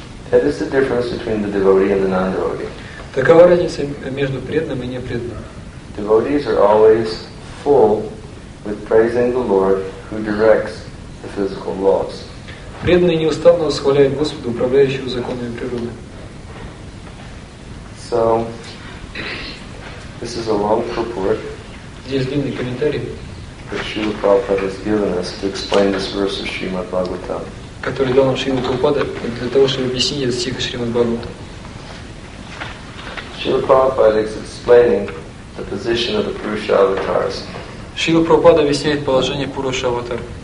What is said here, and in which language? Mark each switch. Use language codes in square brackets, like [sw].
[en] That is the difference between the devotee and the non-devotee. [ru] Такова разница между преданным и непреданным. [en] Devotees are always full with praising the Lord who directs the physical laws. [ru] Преданные неустанно восхваляют Господа, управляющего законами природы. [en] So, this is a long purport. [ru] Здесь длинный комментарий. [en] That Srila Prabhupada has given us to explain this verse of Srimad Bhagavatam. [ru] Который дал нам Шрила Прабхупада для того, чтобы объяснить этот стих Шримад Бхагаватам. [en] Srila Prabhupada is explaining the position of the Purusha avatars. [ru] Шрила Прабхупада объясняет положение Пуруша аватар.